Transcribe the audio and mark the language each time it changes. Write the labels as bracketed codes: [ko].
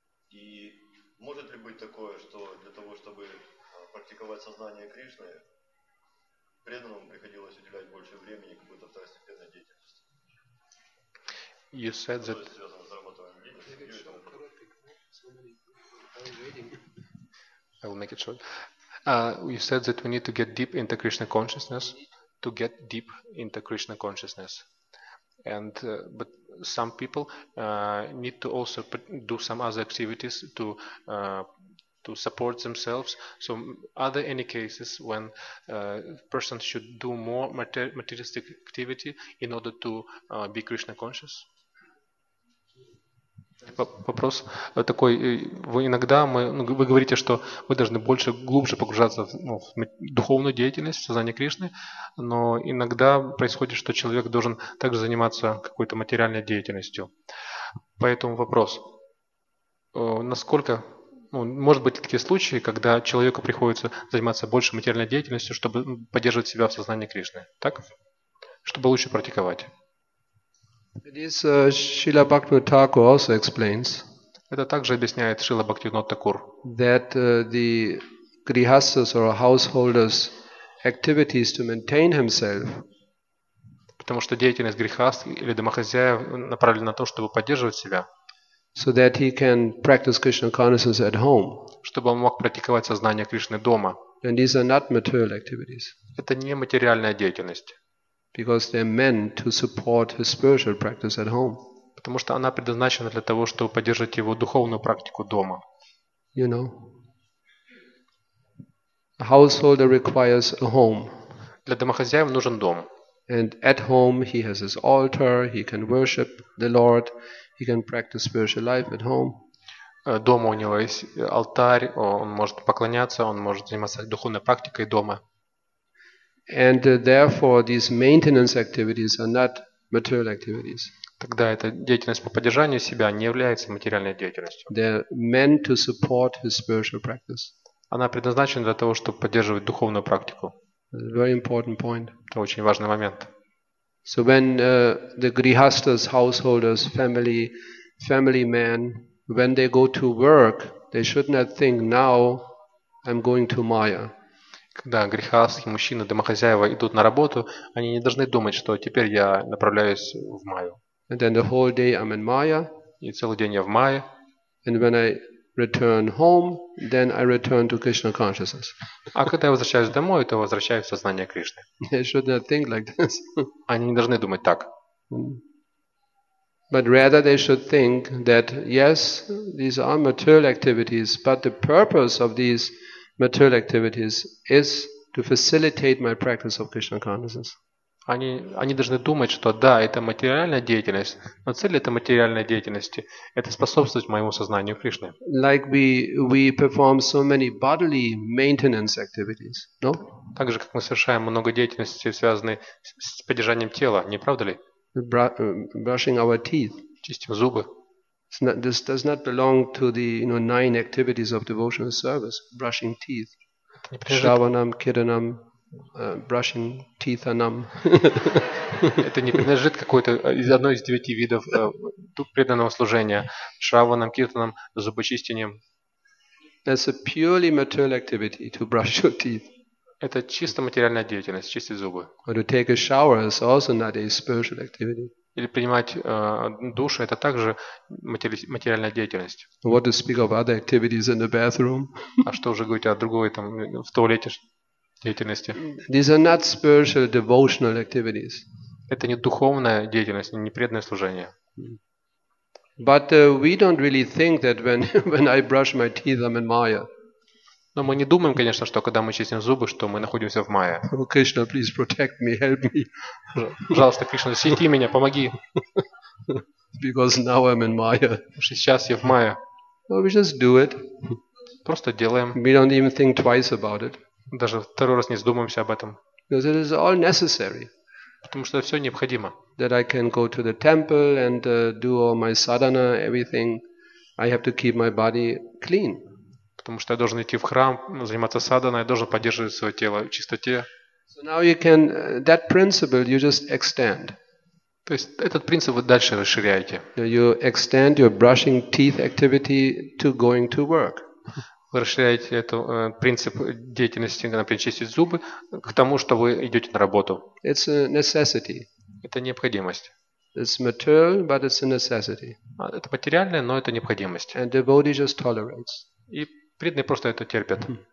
[ru] И может ли быть такое, что для того, чтобы практиковать сознание Кришны, преданному приходилось уделять больше времени какой-то второстепенной деятельности? [en] You said that... [ru] То есть связано с зарабатыванием денег. [en] I will make it short. You said that we need to get deep into Krishna consciousness. To get deep into Krishna consciousness, and but some people need to also do some other activities to support themselves. So are there any cases when persons should do more materialistic activity in order to be Krishna conscious? [ru] Вопрос такой: вы иногда вы говорите, что вы должны больше, глубже погружаться в духовную деятельность, в сознание Кришны, но иногда происходит, что человек должен также заниматься какой-то материальной деятельностью. Поэтому вопрос: насколько, может быть, такие случаи, когда человеку приходится заниматься больше материальной деятельностью, чтобы поддерживать себя в сознании Кришны, так? Чтобы лучше практиковать? [en] This Srila Bhaktivinoda Thakur also explains. [ru] Это также объясняет Шрила Бхактивинода Тхакур. [en] That the grihasthas or householders' activities to maintain himself. [ru] Потому что деятельность грихаст или домохозяев направлена на то, чтобы поддерживать себя. [en] So that he can practice Krishna consciousness at home. [ru] Чтобы он мог практиковать сознание Кришны дома. [en] And these are not material activities. [ru] Это не материальная деятельность. [en] Because they're meant to support his spiritual practice at home. [ru] Потому что она предназначена для того, чтобы поддерживать его духовную практику дома. [en] You know, a householder requires a home. [ru] Для домохозяев нужен дом. [en] And at home he has his altar, he can worship the Lord, he can practice spiritual life at home. [ru] Дома у него есть алтарь, он может поклоняться, он может заниматься духовной практикой дома. [en] And therefore, these maintenance activities are not material activities. [ru] Тогда эта деятельность по поддержанию себя не является материальной деятельностью. [en] They're meant to support his spiritual practice. [ru] Она предназначена для того, чтобы поддерживать духовную практику. [en] Very important point. [ru] Это очень важный момент. [en] So when the grihasthas, householders, family men, when they go to work, they should not think, now I'm going to Maya. [ru] Когда грихасхи, мужчины, домохозяева идут на работу, они не должны думать, что теперь я направляюсь в Майю. [en] And then the whole day I'm in Maya. [ru] И целый день я в Майе. [en] And when I return home, then I return to Krishna consciousness. [ru] А когда я возвращаюсь домой, то возвращаюсь в сознание Кришны. [en] They should not think like this. [ru] Они не должны думать так. [en] But rather they should think that yes, these are material activities, but the purpose of these material activities is to facilitate my practice of Krishna consciousness. [ru] Они должны думать, что да, это материальная деятельность, но цель этой материальной деятельности – это способствовать моему сознанию Кришны. [en] Like we perform so many bodily maintenance activities, no? [ru] Так же, как мы совершаем много деятельности, связанной с поддержанием тела, не правда ли? [en] Brushing our teeth. [ru] Чистим зубы. [en] This does not belong to the, you know, nine activities of devotional service: brushing teeth, shravanam, kiranam, brushing teeth anam. [ru] Это не принадлежит какой-то из одной из девяти видов преданного служения: шраванам, киртанам, зубочистением. [en] That's a purely material activity to brush your teeth. [ru] Это чисто материальная деятельность, чистить зубы. [en] Or to take a shower is also not a spiritual activity. [ru] Или принимать душ, это также материальная деятельность. [en] What to speak of other activities in the bathroom? [ru] А что уже говорить о другой там в туалете деятельности? [en] These are not spiritual devotional activities. [ru] Это не духовная деятельность, не преданное служение. [en] But we don't really think that when I brush my teeth, I'm in Maya. [ru] Но мы не думаем, конечно, что когда мы чистим зубы, что мы находимся в Майе. [en] Кришна, please protect me, help me. [ru] Пожалуйста, Кришна, защити меня, помоги. [en] Because now I'm in Maya. [ru] Сейчас я в Майе. [en] No, we just do it. [ru] Просто делаем. [en] We don't even think twice about it. [ru] Даже второй раз не задумываемся об этом. [en] Because it is all necessary. [ru] Потому что все необходимо. [en] That I can go to the temple and do all my sadhana, everything. I have to keep my body clean. [ru] Потому что я должен идти в храм, заниматься садханой, я должен поддерживать свое тело в чистоте. [en] So now you can, that principle you just extend. [ru] То есть этот принцип вы дальше расширяете. [en] You extend your brushing teeth activity to going to work. [ru] Вы расширяете этот принцип деятельности, например, чистить зубы, к тому, что вы идете на работу. [en] It's a necessity. [ru] Это необходимость. [en] It's material, but it's a necessity. [ru] Это материальное, но это необходимость. [en] And devotee just tolerates. [ru] И преданные просто это терпят.